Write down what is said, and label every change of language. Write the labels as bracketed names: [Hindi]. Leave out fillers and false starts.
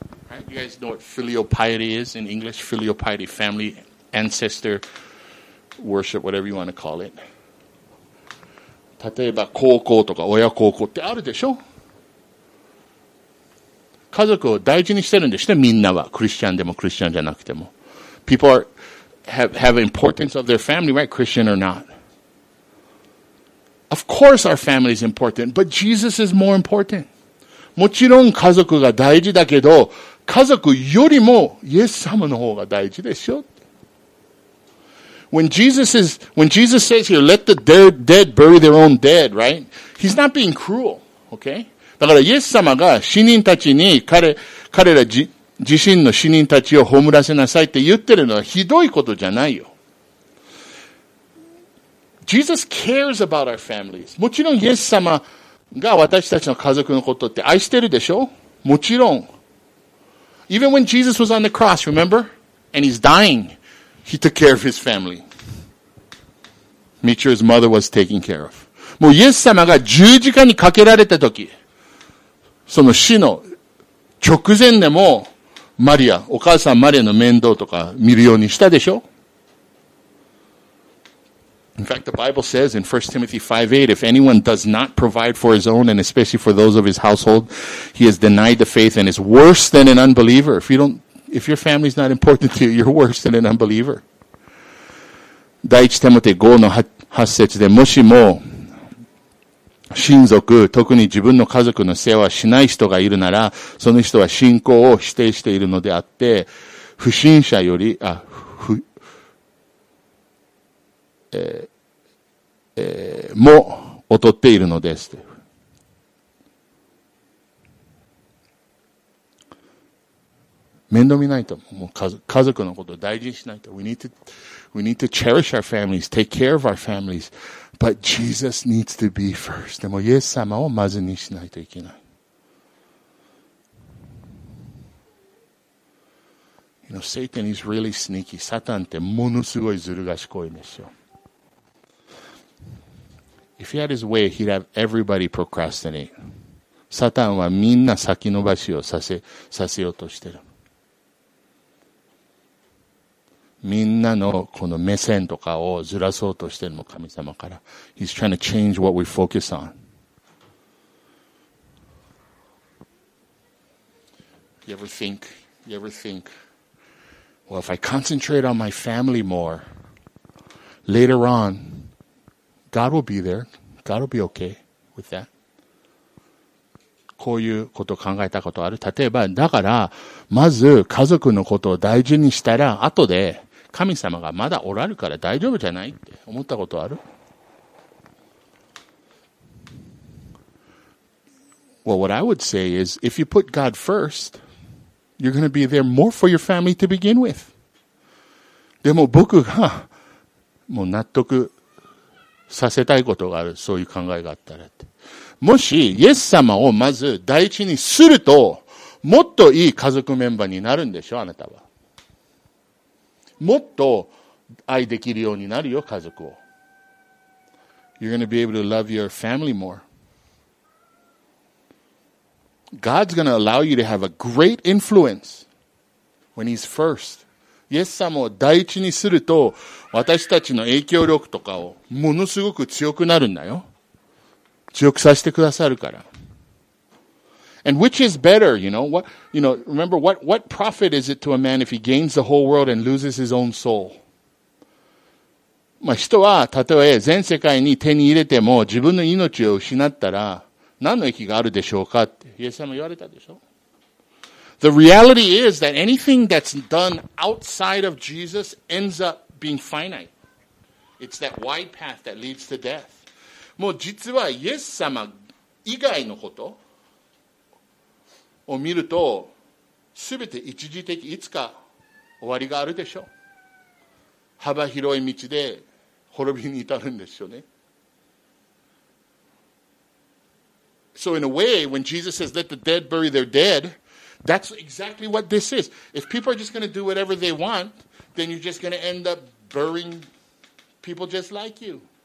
[English] Right? You guys know what filial piety is in English? Filial piety, family. Ancestor worship, whatever you want to call it. [Japanese] 例えば高校とか親高校ってあるでしょ。家族を大事にしてるんでしょ、みんなは。クリスチャンでもクリスチャンじゃなくても。 [English] People have importance of their family, right? Christian or not. Of course our family is important, but Jesus is more important. [Japanese] もちろん家族が大事だけど、家族よりもイエス様の方が大事でしょ。 [English] When Jesus says here, let the dead bury their own dead, right? He's not being cruel, okay? [Japanese] だからイエス様が死人たちに彼ら自身の死人たちを葬らせなさいって言ってるのはひどいことじゃないよ。 [English] Jesus cares about our families. [Japanese] もちろんイエス様が私たちの家族のことって愛してるでしょ？もちろん。 [English] Even when Jesus was on the cross, remember? And he's dying. He took care of his family. Make sure his mother was taken care of. [Japanese] もうイエス様が十字架にかけられた時、その死の直前でも、マリア、お母さんマリアの面倒とか見るようにしたでしょ？ [English] In fact, the Bible says in 1 Timothy 5:8, if anyone does not provide for his own and especially for those of his household, he has denied the faith and is worse than an unbeliever. If your family's not important to you, you're worse than an unbeliever. [Japanese] 第1テモテ5の8節で、もしも親族、特に自分の家族の世話しない人がいるなら、その人は信仰を否定しているのであって、不信者より、も劣っているのです。面倒見ないと、もう家族のことを大事にしないと。 [English] We need to cherish our families, take care of our families. But Jesus needs to be first. [Japanese] でも、イエス様をまずにしないといけない。 [English] You know, Satan is really sneaky. [Japanese] サタンってものすごいずる賢いんですよ。 [English] If he had his way, he'd have everybody procrastinate. [Japanese] サタンはみんな先延ばしをさせようとしてる。みんなのこの目線とかをずらそうとしてるの、神様から。 [English] He's trying to change what we focus on. You ever think, well, if I concentrate on my family more, later on, God will be there. God will be okay with that. [Japanese] こういうことを考えたことある。例えば、だから、まず家族のことを大事にしたら、後で神様がまだおられるから大丈夫じゃないって思ったことある？ [English] Well, what I would say is, if you put God first, you're going to be there more for your family to begin with. [Japanese] でも僕が、もう納得させたいことがある。そういう考えがあったらって。もし、イエス様をまず第一にすると、もっといい家族メンバーになるんでしょ、あなたは。もっと愛できるようになるよ、家族を。 [English] You're gonna be able to love your family more.God's gonna allow you to have a great influence when he's first. [Japanese] イエス様を第一にすると、私たちの影響力とかをものすごく強くなるんだよ。強くさせてくださるから。 [English] And which is better, you know? What, you know, remember, what profit is it to a man if he gains the whole world and loses his own soul? [Japanese] まあ人は、たとえ全世界に手に入れても自分の命を失ったら何の益があるでしょうかって、イエス様言われたでしょ [English] ?The reality is that anything that's done outside of Jesus ends up being finite. It's that wide path that leads to death. [Japanese] もう実はイエス様以外のことを見ると全て一時的いつか終わりがあるでしょう。幅広い道で滅びに至るんですよね。 [English] So in a way, when Jesus says, let the dead bury their dead, that's exactly what this is. If people are just going to do whatever they want, then you're just going to end up burying people just like you.